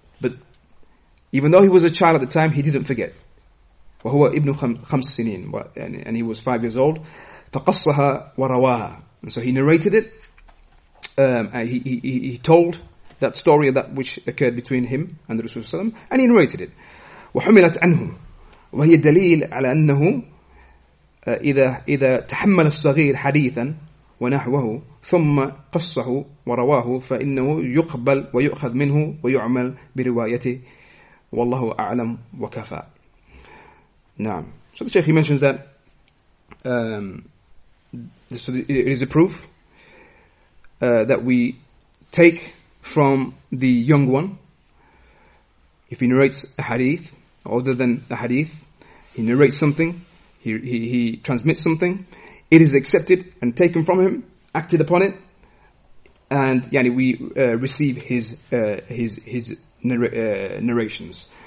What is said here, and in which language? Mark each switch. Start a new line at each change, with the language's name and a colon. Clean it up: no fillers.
English: But even though he was a child at the time, he didn't forget. وهو ابن خمس سنين, and he was 5 years old. فقصها ورواها. And so he narrated it. He told that story that which occurred between him and the Rasul, and he narrated it.
Arabic: وحملت عنه وهي دليل على أنه إذا تحمل الصغير حديثا ونحوه ثم قصه ورواه فإنه يقبل ويؤخذ منه ويعمل بروايته والله أعلم وكفى. Naam.
English: So the Shaykh, he mentions that it is a proof that we take from the young one. If he narrates a hadith, other than a hadith, he narrates something, he transmits something, it is accepted and taken from him, acted upon it, and yani we receive his narrations.